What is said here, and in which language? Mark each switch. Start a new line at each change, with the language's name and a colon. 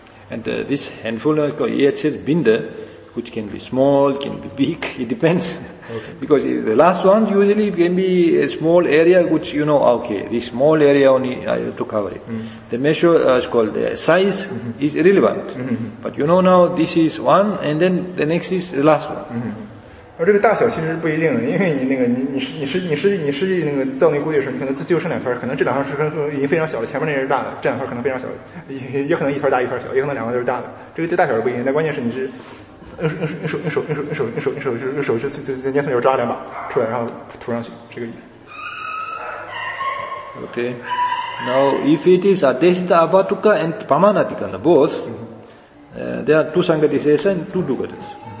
English: And this handful or yetzer binder, which can be small, can be big, it depends. Okay. Because the last one usually can be a small area, which you know, okay, this small area only I have to cover it. Mm-hmm. The measure is called the size mm-hmm. is irrelevant. Mm-hmm. But you know now this is one, and then the next is the last one. Mm-hmm.
Chinese: 而这个大小其实不一定的，因为你那个你实际你实际你实际那个造那工具的时候，你可能自己有剩两块，可能这两块是跟已经非常小的，前面那是大的，这两块可能非常小，也可能一团大一团小，也可能两个都是大的，这个大小是不一定的，但关键是你是用手去捏碎就抓两把出来，然后涂上去，这个意思。
English: Okay, now if it is Adesita Abatuka and Pamanatika on the both, there are two Sangatises and two Dugatas.